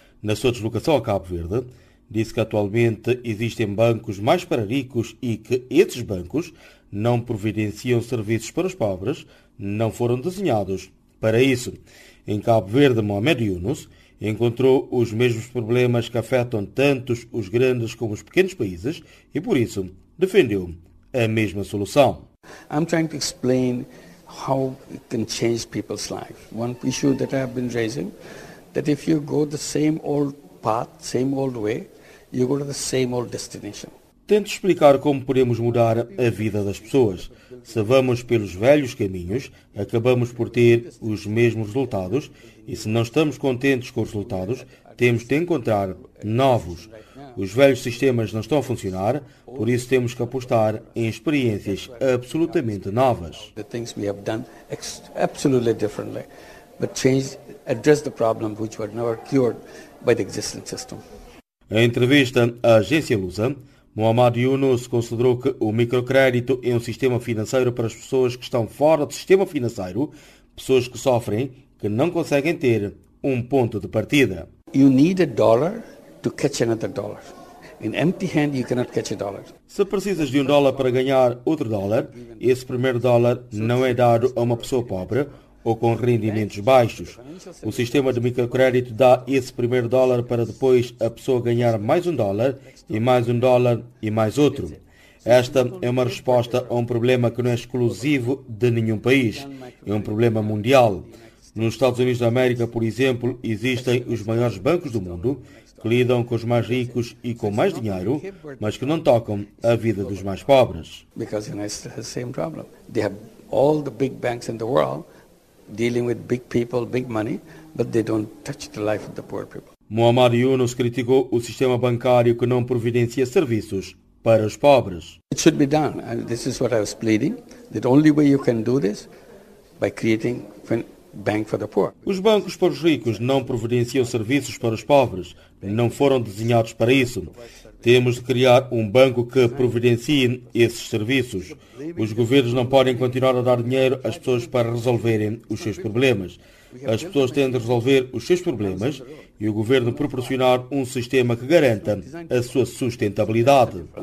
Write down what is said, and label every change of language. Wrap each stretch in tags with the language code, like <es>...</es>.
<pt>Na sua deslocação a Cabo Verde, disse que atualmente existem bancos mais para ricos e que esses bancos não providenciam serviços para os pobres, não foram desenhados para isso. Em Cabo Verde, Muhammad Yunus encontrou os mesmos problemas que afetam tanto os grandes como os pequenos países e, por isso, defendeu a mesma solução.</pt> <en>I'm trying to explain how it can change people's life. One issue that I've been raising, that if you go the same old path, same old way, you go to the same old destination.</en> <pt>Tento explicar como podemos mudar a vida das pessoas. Se vamos pelos velhos caminhos, acabamos por ter os mesmos resultados, e se não estamos contentes com os resultados, temos de encontrar novos. Os velhos sistemas não estão a funcionar, por isso temos que apostar em experiências absolutamente novas.</pt> <en>The things we have done absolutely differently, but change address the problem which were never cured by the existing system.</en> <pt>A entrevista à agência Lusa, Muhammad Yunus considerou que o microcrédito é um sistema financeiro para as pessoas que estão fora do sistema financeiro, pessoas que sofrem, que não conseguem ter um ponto de partida.</pt> <en>You need a dollar to catch another dollar. In empty hand you cannot catch a dollar.</en> <pt>Se precisas de um dólar para ganhar outro dólar, esse primeiro dólar não é dado a uma pessoa pobre ou com rendimentos baixos. O sistema de microcrédito dá esse primeiro dólar para depois a pessoa ganhar mais um dólar, e mais um dólar, e mais outro. Esta é uma resposta a um problema que não é exclusivo de nenhum país. É um problema mundial. Nos Estados Unidos da América, por exemplo, existem os maiores bancos do mundo, que lidam com os mais ricos e com mais dinheiro, mas que não tocam a vida dos mais pobres. Porque eles têm o mesmo problema. Eles têm todos os grandes bancos do mundo,</pt> <en>dealing with big people, big money, but they don't touch the life of the poor people.</en> <pt>Muhammad Yunus criticou o sistema bancário que não providencia serviços para os pobres.</pt> <en>It should be done, and this is what I was pleading. The only way you can do this by creating a bank for the poor.</en> <pt>Os bancos para os ricos não providenciam serviços para os pobres, não foram desenhados para isso. Temos de criar um banco que providencie esses serviços. Os governos não podem continuar a dar dinheiro às pessoas para resolverem os seus problemas. As pessoas têm de resolver os seus problemas e o governo proporcionar um sistema que garanta a sua sustentabilidade.</pt>